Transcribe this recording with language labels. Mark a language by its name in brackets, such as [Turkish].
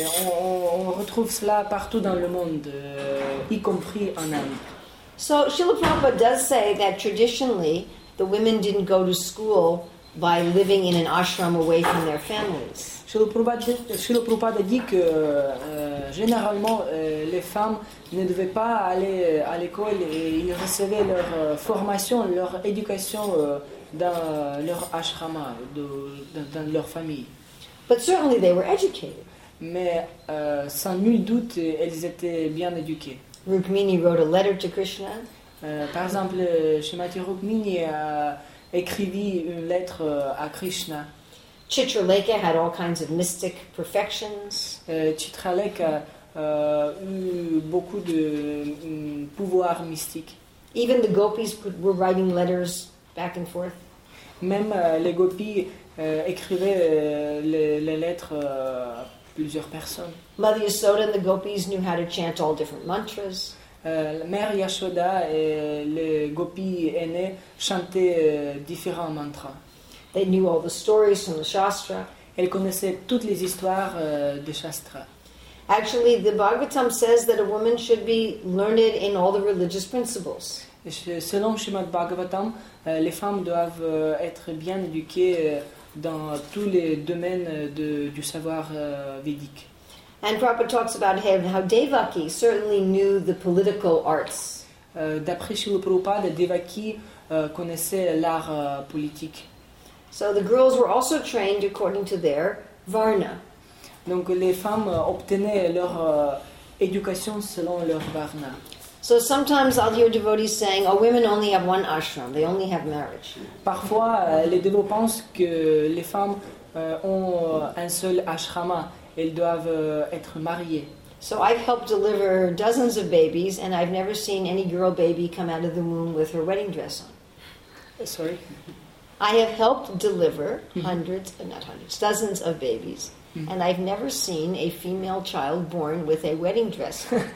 [French] On retrouve cela partout dans le monde, y compris en Inde. [English] So Srila Prabhupada does say that traditionally the women didn't go to school by living in an ashram away from their families. [French] Srila Prabhupada dit que généralement les femmes ne devaient pas aller à l'école et ils recevaient leur formation, leur éducation dans leur ashrama, dans leur famille. [English] But certainly they were educated. [French] Mais sans nul doute, elles étaient bien éduquées. [English] Rukmini wrote a letter to Krishna. [French] Par exemple, Srimati Rukmini a écrivit une lettre à Krishna. [English] Chitraleka had all kinds of mystic perfections. [French] Chitraleka eut beaucoup de pouvoirs mystiques. [English] Even the gopis were writing letters back and forth. [French] Même les gopis écrivaient les lettres à plusieurs personnes. [English] Mother Yashoda and the gopis knew how to chant all different mantras. [French] Mère Yashoda et les gopis aînés chantaient différents mantras. [English] They knew all the stories from the Shastra. [French] Elles connaissaient toutes les histoires des Shastras. [English] Actually, the Bhagavatam says that a woman should be learned in all the religious principles. [French] Selon Srimad Bhagavatam, les femmes doivent être bien éduquées dans tous les domaines du savoir védique. [English] And Prabhupada talks about how Devaki certainly knew the political arts. [French] D'après Srila Prabhupada, Devaki connaissait l'art politique. [English] So the girls were also trained according to their varna. [French] Donc les femmes obtenaient leur éducation selon leur varna. [English] So sometimes I'll hear devotees saying, "Oh, women only have one ashram; they only have marriage." [French] Parfois, les dévots pensent que les femmes ont un seul ashrama; elles doivent être mariées. [English] So I've helped deliver dozens of babies, and I've never seen any girl baby come out of the womb with her wedding dress on. Sorry. I have helped deliver hundreds, not hundreds, dozens of babies. And I've never seen a female child born with a wedding dress.